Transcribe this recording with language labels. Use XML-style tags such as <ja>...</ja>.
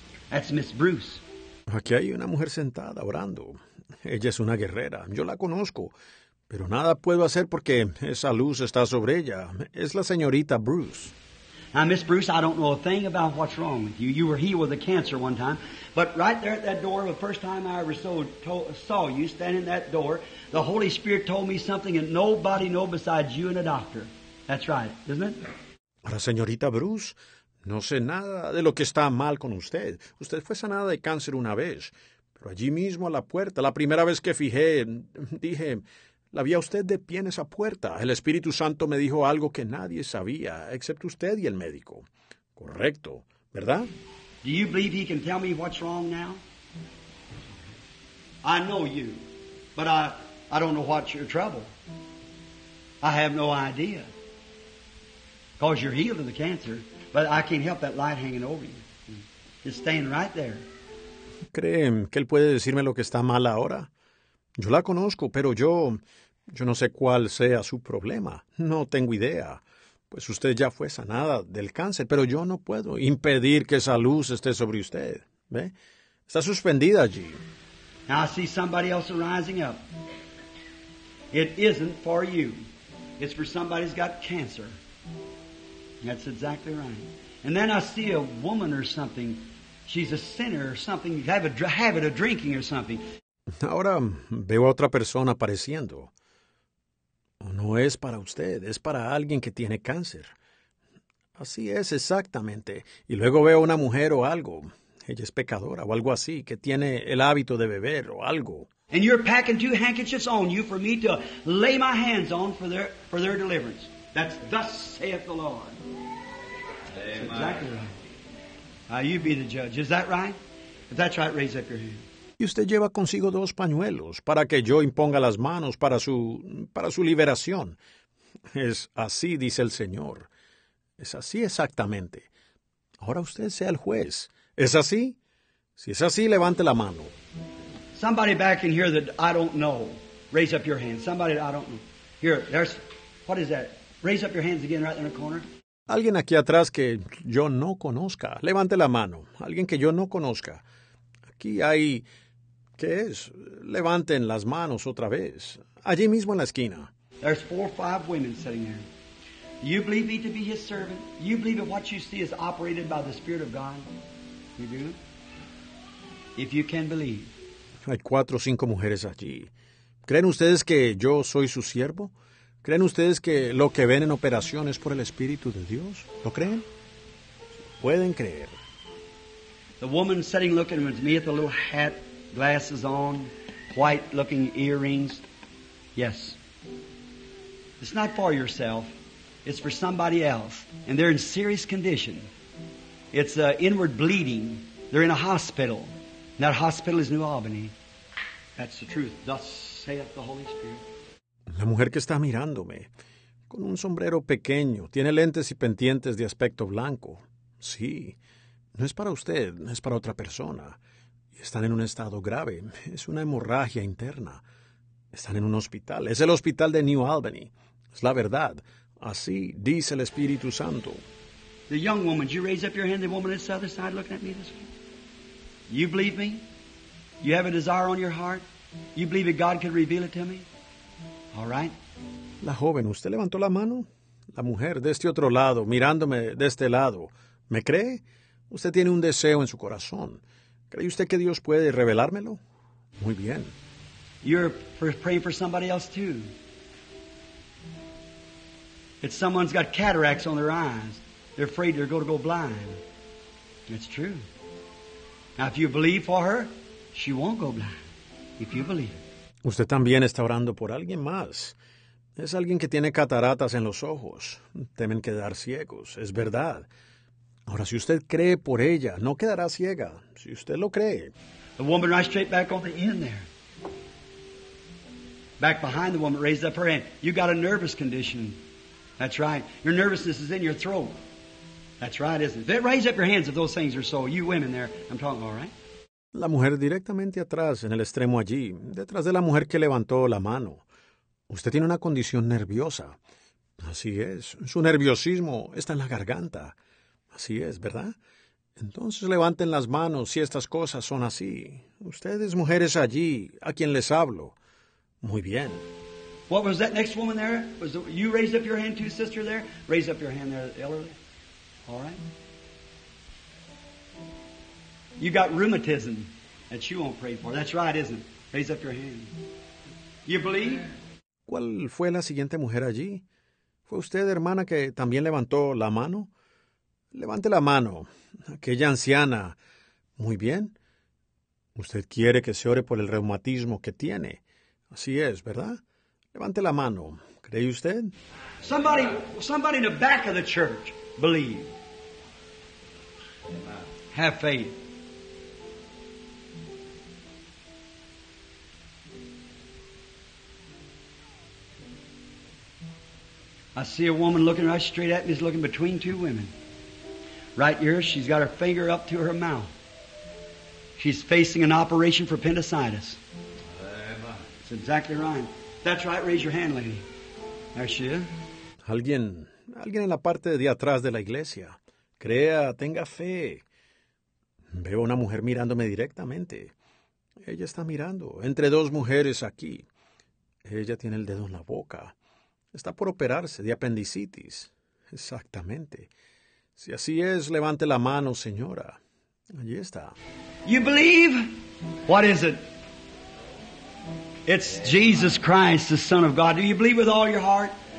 <en>That's Miss Bruce.</en> <es>Aquí hay una mujer sentada orando. Ella es una guerrera. Yo la conozco, pero nada puedo hacer porque esa luz está sobre ella. Es la señorita Bruce.</es> <en>Now, Miss Bruce, I don't know a thing about what's wrong with you. You were healed with a cancer one time. But right there at that door, the first time I ever saw you standing in that door, the Holy Spirit told me something that nobody knows besides you and a doctor. That's right, isn't it?</en> <es>Ahora, señorita Bruce, no sé nada de lo que está mal con usted. Usted fue sanada de cáncer una vez, pero allí mismo a la puerta, la primera vez que fijé, dije, la vi a usted de pie en esa puerta. El Espíritu Santo me dijo algo que nadie sabía, excepto usted y el médico. Correcto, ¿verdad?</es> <en>Do you believe he can tell me what's wrong now? I know you, but I don't know what's your trouble. I have no idea. Because you're healed of the cancer, but I can't help that light hanging over you. It's staying right there.</en> <es>¿Creen que él puede decirme lo que está mal ahora? Yo la conozco, pero yo no sé cuál sea su problema. No tengo idea. Pues usted ya fue sanada del cáncer, pero yo no puedo impedir que esa luz esté sobre usted. ¿Ve? Está suspendida allí.</es> <en>Now I see somebody else rising up. It isn't for you. It's for somebody who's got cancer. That's exactly right. And then I see a woman or something. She's a sinner or something. You have a habit of drinking or something.</en> <es>Ahora veo a otra persona apareciendo. No es para usted, es para alguien que tiene cáncer. Así es exactamente. Y luego veo una mujer o algo. Ella es pecadora o algo así, que tiene el hábito de beber o algo.</es> <en>And you're packing two handkerchiefs on you for me to lay my hands on for their deliverance. That's thus saith the Lord. Amen. That's exactly right. You be the judge. Is that right? If that's right, raise up your hand.</en> <es>Y usted lleva consigo dos pañuelos para que yo imponga las manos para su liberación. Es así, dice el Señor. Es así exactamente. Ahora usted sea el juez. ¿Es así? Si es así, levante la mano.</es> <en>Somebody back in here that I don't know, raise up your hand. Somebody that I don't know. Here, there's, what is that? Raise up your hands again right there in the corner.</en> <es>Alguien aquí atrás que yo no conozca. Levante la mano. Alguien que yo no conozca. Aquí hay, ¿qué es? Levanten las manos otra vez. Allí mismo en la esquina.</es> <en>There's four or five women sitting there. You believe me to be his servant? You believe that what you see is operated by the Spirit of God? You do? If you can believe.</en> <es>Hay cuatro o cinco mujeres allí. ¿Creen ustedes que yo soy su siervo? ¿Creen ustedes que lo que ven en operación es por el Espíritu de Dios? ¿Lo creen? Pueden creer.</es> <en>The woman sitting looking at me with the little hat, glasses on, white looking earrings. Yes. It's not for yourself. It's for somebody else. And they're in serious condition. It's an inward bleeding. They're in a hospital. And that hospital is New Albany. That's the truth. Thus saith the Holy Spirit.</en> <es>La mujer que está mirándome, con un sombrero pequeño, tiene lentes y pendientes de aspecto blanco. Sí, no es para usted, es para otra persona. Están en un estado grave, es una hemorragia interna. Están en un hospital, es el hospital de New Albany. Es la verdad, así dice el Espíritu Santo.</es> <en>The young woman, you raise up your hand, the woman on the other side looking at me this way. You believe me? You have a desire on your heart? You believe that God can reveal it to me? All right.</en> <es>La joven, ¿usted levantó la mano? La mujer, de este otro lado, mirándome de este lado. ¿Me cree? Usted tiene un deseo en su corazón. ¿Cree usted que Dios puede revelármelo? Muy bien.</es> <en>You're praying for somebody else too. It's someone's got cataracts on their eyes. They're afraid they're going to go blind. It's true. Now, if you believe for her, she won't go blind. If you believe.</en> <es>Usted también está orando por alguien más. Es alguien que tiene cataratas en los ojos. Temen quedar ciegos. Es verdad. Ahora, si usted cree por ella, no quedará ciega. Si usted lo cree.</es> <en>The woman right straight back on the end there. Back behind the woman, raised up her hand. You got a nervous condition. That's right. Your nervousness is in your throat. That's right, isn't it? Raise up your hands if those things are so. You women there. I'm talking, all right?</en> <es>La mujer directamente atrás, en el extremo allí, detrás de la mujer que levantó la mano. Usted tiene una condición nerviosa. Así es. Su nerviosismo está en la garganta. Así es, ¿verdad? Entonces levanten las manos si estas cosas son así. Ustedes, mujeres allí, a quien les hablo. Muy bien.</es> <en>What was that next woman there? Was the, you raised up your hand too, sister there? Raise up your hand there, elderly. All right. You got rheumatism that you won't pray for. That's right, isn't it? Raise up your hand. You believe?</en> <es>¿Cuál fue la siguiente mujer allí? ¿Fue usted, hermana, que también levantó la mano? Levante la mano. Aquella anciana. Muy bien. Usted quiere que se ore por el reumatismo que tiene. Así es, ¿verdad? Levante la mano. ¿Cree usted?</es> <en>Somebody in the back of the church, believe. Have faith. I see a woman looking right straight at me. She's looking between two women. Right here, she's got her finger up to her mouth. She's facing an operation for appendicitis. That's exactly right. That's right. Raise your hand, lady. There she is.</en> <es>Alguien en la parte de atrás de la iglesia. Crea, tenga fe. Veo una mujer mirándome directamente. Ella está mirando entre dos mujeres aquí. Ella tiene el dedo en la boca. Está por operarse de apendicitis. Exactamente. Si así es, levante la mano, señora. Allí está.</es> <en>You believe? What is it? It's Jesus Christ, the Son of God. Do you believe with all your heart?</en>